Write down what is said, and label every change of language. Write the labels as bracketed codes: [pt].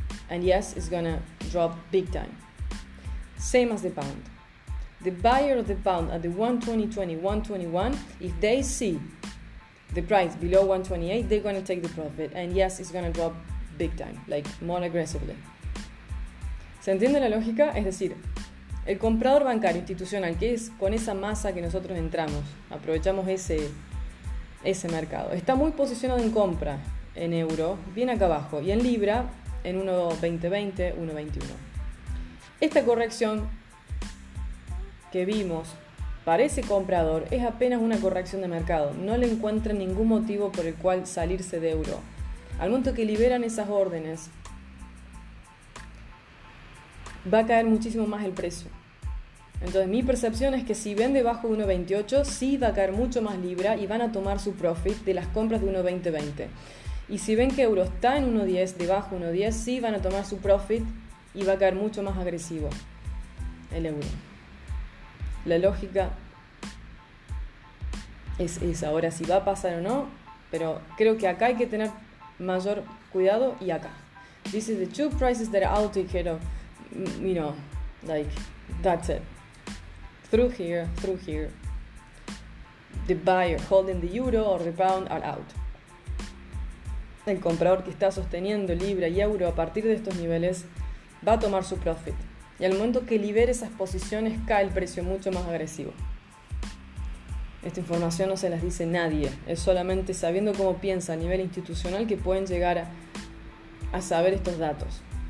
[en] And yes, it's going to drop big time. Same as the pound. The buyer of the pound at the 1.20.20, 1.21, if they see the price below 1.28, they're going to take the profit. And yes, it's going to drop big time, like more aggressively. [es] ¿Se entiende la lógica? Es decir, el comprador bancario institucional, que es con esa masa que nosotros entramos, aprovechamos ese mercado, está muy posicionado en compra en euro, bien acá abajo, y en libra en 1.2020, 1.21. Esta corrección que vimos para ese comprador es apenas una corrección de mercado. No le encuentran ningún motivo por el cual salirse de euro. Al momento que liberan esas órdenes, va a caer muchísimo más el precio. Entonces, mi percepción es que si vende bajo de 1.28, sí va a caer mucho más libra y van a tomar su profit de las compras de 1.2020. Y si ven que euro está en 1.10, debajo de 1.10, sí van a tomar su profit y va a caer mucho más agresivo el euro. La lógica es esa. Ahora, si va a pasar o no, pero creo que acá hay que tener mayor cuidado y acá. [en] This is the two prices that are out here. You know, like, that's it. Through here. The buyer holding the euro or the pound are out. [es] El comprador que está sosteniendo libra y euro a partir de estos niveles va a tomar su profit. Y al momento que libere esas posiciones, cae el precio mucho más agresivo. Esta información no se las dice nadie. Es solamente sabiendo cómo piensa a nivel institucional que pueden llegar a saber estos datos.